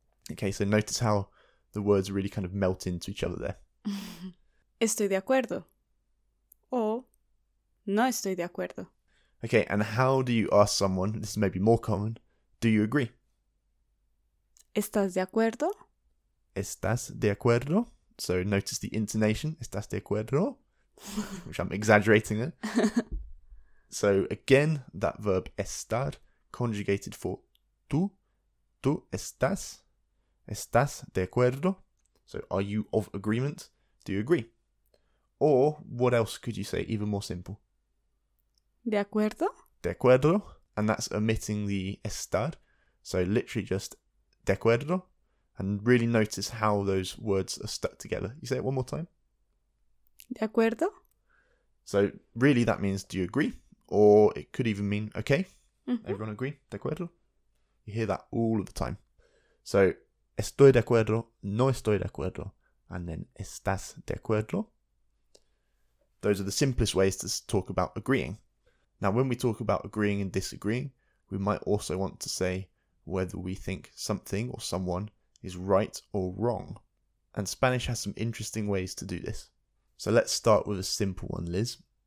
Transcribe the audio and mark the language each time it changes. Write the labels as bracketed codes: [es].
[en] Okay, so notice how the words really kind of melt into each other there. [es] Estoy de acuerdo. Or no estoy de acuerdo. [en] Okay, and how do you ask someone, this is maybe more common, do you agree? [es] ¿Estás de acuerdo? ¿Estás de acuerdo? [en] So notice the intonation, [es] ¿estás de acuerdo? [en] Which I'm exaggerating it. So again, that verb estar, conjugated for tú. [es] Tú estás. ¿Estás de acuerdo? [en] So are you of agreement? Do you agree? Or what else could you say, even more simple? [es] De acuerdo. De acuerdo. [en] And that's omitting the estar. So literally just [es] de acuerdo. [en] And really notice how those words are stuck together. You say it one more time. [es] De acuerdo. [en] So really that means do you agree? Or it could even mean okay. Mm-hmm. Everyone agree? [es] De acuerdo. [en] You hear that all of the time. [es] So estoy de acuerdo. No estoy de acuerdo. [en] And then [es] estás de acuerdo. [en] Those are the simplest ways to talk about agreeing. Now, when we talk about agreeing and disagreeing, we might also want to say whether we think something or someone is right or wrong. And Spanish has some interesting ways to do this. So let's start with a simple one, Liz.